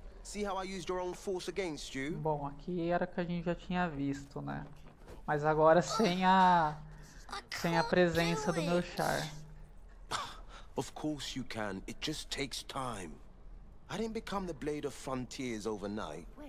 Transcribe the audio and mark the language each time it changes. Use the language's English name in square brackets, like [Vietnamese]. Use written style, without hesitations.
[English] See how I used your own force against you? [Portuguese] Bom, aqui era o que a gente já tinha visto, né? Mas agora sem a presença do meu Char. [English] Of course you can. It just takes time. I didn't become the Blade of Frontiers overnight.